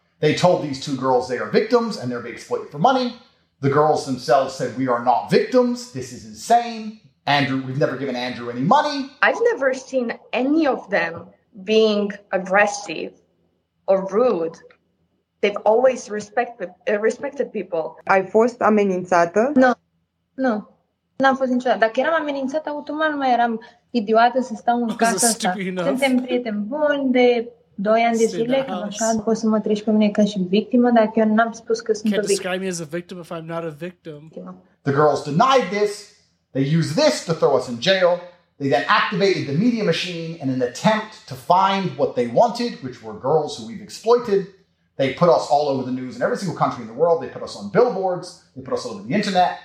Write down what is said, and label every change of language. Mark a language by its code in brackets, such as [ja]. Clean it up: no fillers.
[en] They told these two girls they are victims and they're being exploited for money. The girls themselves said, "We are not victims. This is insane. Andrew, we've never given Andrew any money." I've never seen any of them being aggressive or rude. They've always respected people. [ro] Ai fost amenințată? Nu. N-am fost niciodată. Dacă eram amenințată, automat nu mai eram idiotă să stau în casa asta. Suntem prieteni buni de 2 ani de zile, cam așa, poți să mă treci pe mine ca și victimă, dacă eu n-am spus că sunt o victimă. [en] Can't describe me as a victim if I'm not a victim. The girls denied this. They used this to throw us in jail. They then activated the media machine in an attempt to find what they wanted, which were girls who we've exploited. They put us all over the news in every single country in the world. They put us on billboards. They put us all over the internet.